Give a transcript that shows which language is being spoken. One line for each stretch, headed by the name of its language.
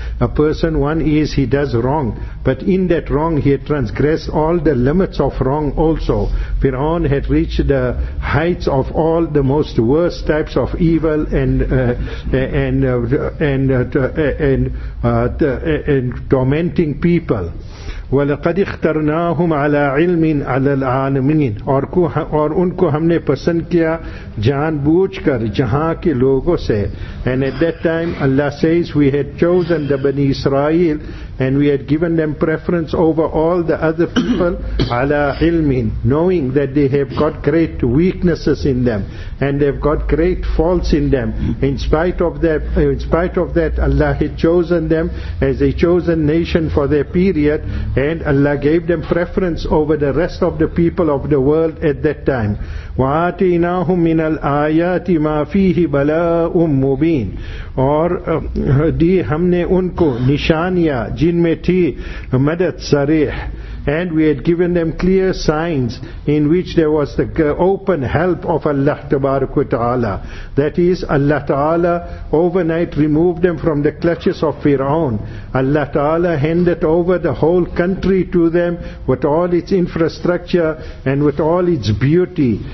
English: A person, one is he does wrong, but in that wrong he had transgressed all the limits of wrong also. Fir'aun had reached the heights of all the most worst types of evil and tormenting people.
Arabic: وَلَقَدْ اخْتَرْنَاهُمْ عَلَىٰ عِلْمٍ عَلَىٰ الْعَالَمِينَ.
Urdu: اور ان کو ہم نے پسند کیا جان بوجھ کر جہاں کے لوگوں سے.
English: And at that time Allah says we had chosen the Bani Israel and we had given them preference over all the other people
Arabic: عَلَىٰ عِلْمٍ,
English: knowing that they have got great weaknesses in them and they've got great faults in them. In spite of that Allah had chosen them as a chosen nation for their period. And Allah gave them preference over the rest of the people of the world at that time.
Arabic: وَآتِيْنَاهُمْ مِنَ الْآيَاتِ مَا فِيهِ بَلَاءٌ مُبِينٌ.
Urdu: اور دی ہم نے ان کو نشانیاں جن میں تھی مدد صریح.
English: And we had given them clear signs in which there was the open help of Allah Tabarak wa Ta'ala. That is, Allah Ta'ala overnight removed them from the clutches of Fir'aun. Allah Ta'ala handed over the whole country to them with all its infrastructure and with all its beauty.